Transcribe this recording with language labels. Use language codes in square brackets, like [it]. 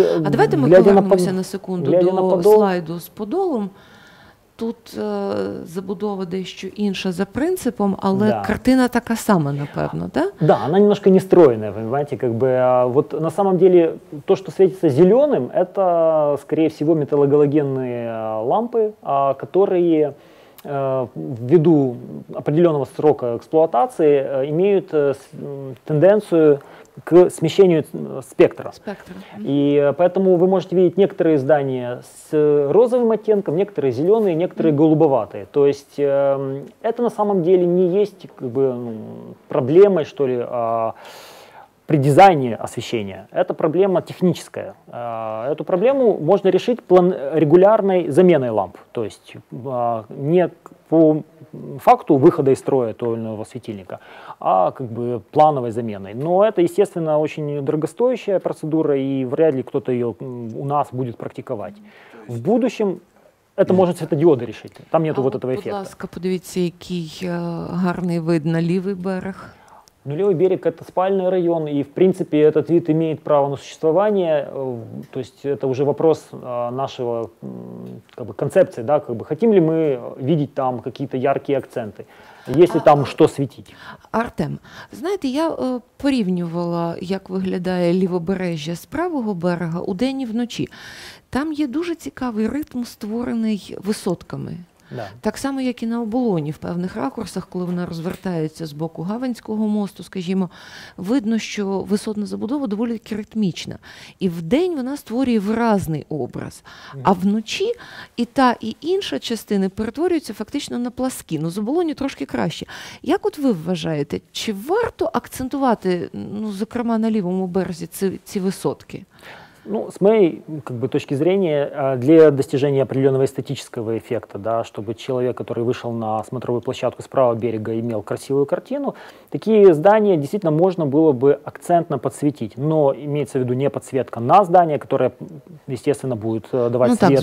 [ru] давайте мы повернемся на секунду до слайду с Подолом. [uk] Тут забудова дещо інша за принципом, але да. Картина така сама, напевно, да? [ru] Да, она немножко нестроенная, понимаете, на самом деле то, что светится зеленым, это, скорее всего, металлогалогенные лампы, которые ввиду определенного срока эксплуатации имеют тенденцию к смещению спектра. И поэтому вы можете видеть некоторые здания с розовым оттенком, некоторые зеленые, некоторые голубоватые. То есть это на самом деле не есть как бы, проблемой, что ли, при дизайне освещения. Это проблема техническая. Эту проблему можно решить регулярной заменой ламп. То есть не по факту выхода из строя того или иного светильника, а как бы плановой заменой. Но это, естественно, очень дорогостоящая процедура, и вряд ли кто-то ее у нас будет практиковать. В будущем это может светодиоды решить. Там нету вот этого эффекта. Пожалуйста, [uk] подивіться, який гарний вид на лівий берег. [ru] Ну, левый берег – это спальный район, и, в принципе, этот вид имеет право на существование. То есть это уже вопрос нашего как бы, концепции, да, как бы, хотим ли мы видеть там какие-то яркие акценты, есть ли там что светить. [uk] Артем, знаете, я порівнювала, як виглядає лівобережжя з правого берега у день і вночі. Там є дуже цікавий ритм, створений висотками. [ru] Да. [uk] Так само, як і на Оболоні, в певних ракурсах, коли вона розвертається з боку Гаванського мосту, скажімо, видно, що висотна забудова доволі ритмічна. І в день вона створює виразний образ. А вночі і та, і інша частини перетворюються фактично на пласкі. Ну, з Оболоні трошки краще. Як от ви вважаєте, чи варто акцентувати, ну, зокрема, на лівому березі ці висотки? [ru] Ну, с моей как бы, точки зрения, для достижения определенного эстетического эффекта, да, чтобы человек, который вышел на смотровую площадку с правого берега, имел красивую картину, такие здания действительно можно было бы акцентно подсветить. Но имеется в виду не подсветка на здание, которое, естественно, будет давать свет